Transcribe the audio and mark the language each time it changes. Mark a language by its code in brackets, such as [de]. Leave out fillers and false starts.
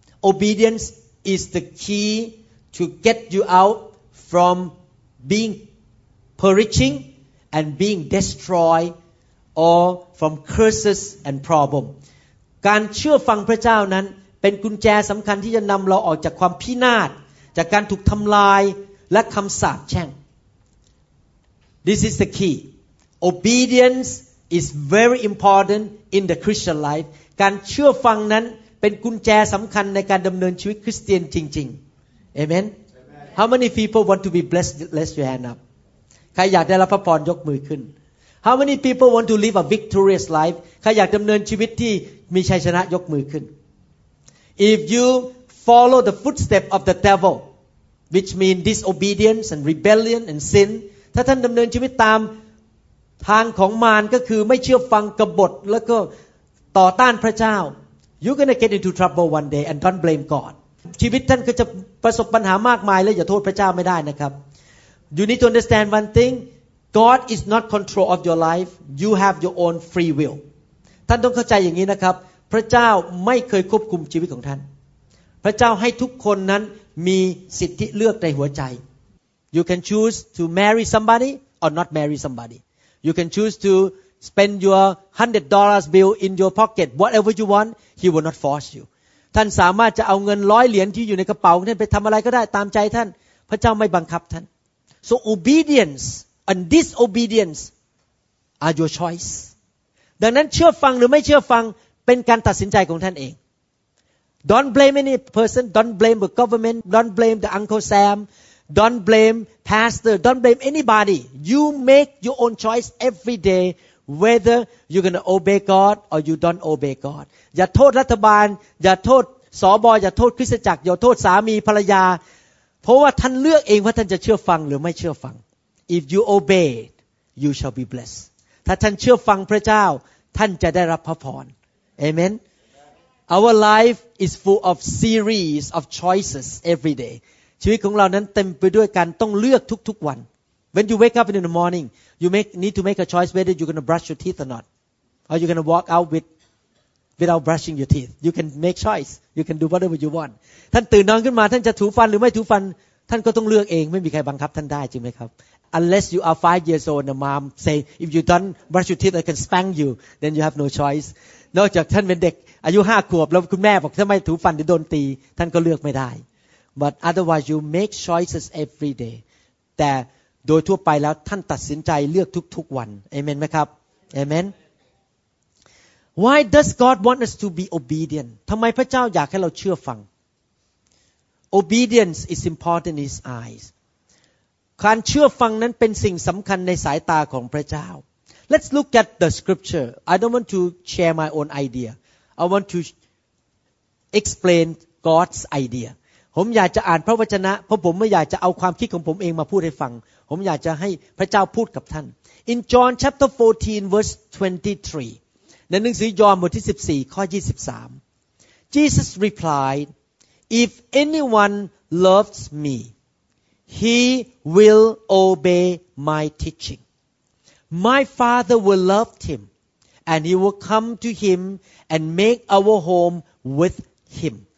[en] Obedience is the key to get you out from being perishing and being destroyed or from curses and problem [th] การเชื่อฟังพระเจ้านั้นเป็นกุญแจสำคัญที่จะนำเราออกจากความพินาศจากการถูกทำลายและคำสาปแช่ง [en] This is the key. Obedience is very important in the Christian life. [th] การเชื่อฟังนั้นเป็นกุญแจสำคัญในการดำเนินชีวิตคริสเตียนจริงๆ Amen. [en] How many people want to be blessed? Raise your hand up. [th] ใครอยากได้รับพระพรยกมือขึ้น [en] How many people want to live a victorious life? [th] ใครอยากดำเนินชีวิตที่มีชัยชนะยกมือขึ้น [en] If you follow the footsteps of the devil, which means disobedience and rebellion and sin. [th] ถ้าท่านดำเนินชีวิตตามทางของมารก็คือไม่เชื่อฟังกบฏแล้วก็ต่อต้านพระเจ้า [en] You're going to get into trouble one day and don't blame God [th] ชีวิตท่านก็จะประสบปัญหามากมายและอย่าโทษพระเจ้าไม่ได้นะครับ [en] You need to understand one thing God is not control of your life You have your own free will [th] ท่านต้องเข้าใจอย่างนี้นะครับพระเจ้าไม่เคยควบคุมชีวิตของท่านพระเจ้าให้ทุกคนนั้นมีสิทธิเลือกในหัวใจ [en] You can choose to marry somebody or not marry somebody. You can choose to spend your $100 bill in your pocket, whatever you want. He will not force you. [th] ท่านสามารถจะเอาเงิน100 เหรียญที่อยู่ในกระเป๋าของท่านไปทำอะไรก็ได้ตามใจท่านพระเจ้าไม่บังคับท่าน [en] So obedience and disobedience are your choice. [th] ดังนั้นเชื่อฟังหรือไม่เชื่อฟังเป็นการตัดสินใจของท่านเอง [en] Don't blame any person. Don't blame the government. Don't blame the Uncle Sam. Don't blame pastor. Don't blame anybody. You make your own choice every day whether you're going to obey God or you don't obey God. [th] อย่าโทษรัฐบาลอย่าโทษสบอย่าโทษคริสตจักรอย่าโทษสามีภรรยาเพราะว่าท่านเลือกเองว่าท่านจะเชื่อฟังหรือไม่เชื่อฟัง [en] If you obey, you shall be blessed. [th] ถ้าท่านเชื่อฟังพระเจ้าท่านจะได้รับพระพร Amen. [en] Our life is full of series of choices every day. [th] ชีวิตของเรานั้นเต็มไปด้วยการต้องเลือกทุกๆวัน [en] When you wake up in the morning, you need to make a choice whether you're going to brush your teeth or not. Or you're going to walk out without brushing your teeth. You can make choice. You can do whatever you want. [th] ท่านตื่นนอนขึ้นมาท่านจะถูฟันหรือไม่ถูฟันท่านก็ต้องเลือกเองไม่มีใครบังคับท่านได้จริงไหมครับ [en] Unless you are 5 years old, the mom say, if you don't brush your teeth, I can spank you. Then you have no choice. [th] นอกจากท่านเป็นเด็กอายุ5 ขวบแล้วคุณแม่บอกถ้าไม่ถูฟันจะโดนตีท่านก็เลือกไม่ได้ [en] But otherwise you make choices every day. [th] แต่โดยทั่วไปแล้วท่านตัดสินใจเลือกทุกๆวันเอเมนไหมครับเอเมน [en] Why does God want us to be obedient? [th] ทำไมพระเจ้าอยากให้เราเชื่อฟัง [en] Obedience is important in His eyes. [th] การเชื่อฟังนั้นเป็นสิ่งสำคัญในสายตาของพระเจ้า [en] Let's look at the scripture. I don't want to share my own idea. I want to explain God's idea. [th] ผมอยากจะอ่านพระวจนะเพราะผมไม่อยากจะเอาความคิดของผมเองมาพูดให้ฟังผมอยากจะให้พระเจ้าพูดกับท่าน [en] In John chapter 14 verse 23. [th] ในหนังสือยอห์นบทที่14ข้อ23 [en] Jesus replied If anyone loves me he will obey my teaching My Father will love him and he will come to him and make our home with him